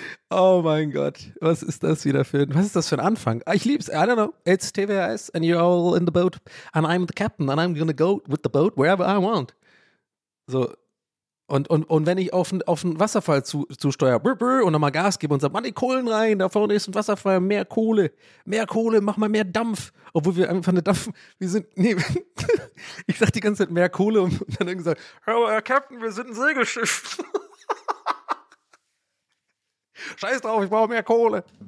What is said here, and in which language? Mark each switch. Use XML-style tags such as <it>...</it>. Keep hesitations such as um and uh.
<de>oh mein Gott, was ist das wieder für ein, was ist das für ein Anfang? Ich lieb's,</de> <en>I don't know, it's TWS and you're all in the boat and I'm the captain and I'm gonna go with the boat wherever I want.</en> <de>So, und, und, und wenn ich auf, einen, auf einen Wasserfall zu, zusteuere brr, brr, und nochmal Gas gebe und sage, mach die Kohlen rein, da vorne ist ein Wasserfall, mehr Kohle, mehr Kohle, mach mal mehr Dampf. Obwohl wir einfach eine Dampf, wir sind, nee, ich sag die ganze Zeit mehr Kohle und dann irgendwie gesagt, hör Herr Captain, wir sind ein Segelschiff. Scheiß drauf, ich brauche mehr Kohle.</de>